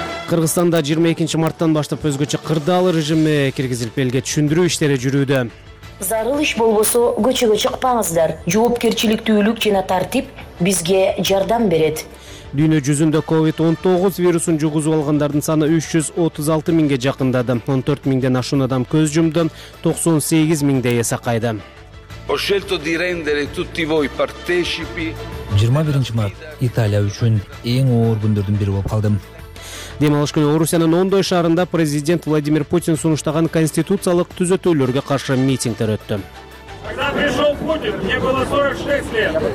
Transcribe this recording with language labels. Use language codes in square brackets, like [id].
[ky] Кыргызстанда 22 марттан баштап өзгөчө кырдаал режими киргизилип элге түшүндүрүү иштери жүрүүдө. Зарыл иш болбосо көчөгө чыкпаңыздар. Жоопкерчиликтүүлүк жана тартип бизге жардам берет. Дүйнө жүзүндө COVID-19 вирусун жугузуп алгандардын саны 336 миңге жакындады. 14 миңден ашуун адам көз жумду, 98 миңдейи сакайды. [it] Ho scelto di rendere tutti voi partecipi. [ky] 21 март Италия үчүн эң оор күндөрдүн бири болуп калды. Демалыш күнү Орусиянын Ондой шаарында президент Владимир Путин сунуштаган конституциялык түзөтүүлөргө каршы митингдер өттү. [ru] Когда пришел Путин, мне было 46 лет.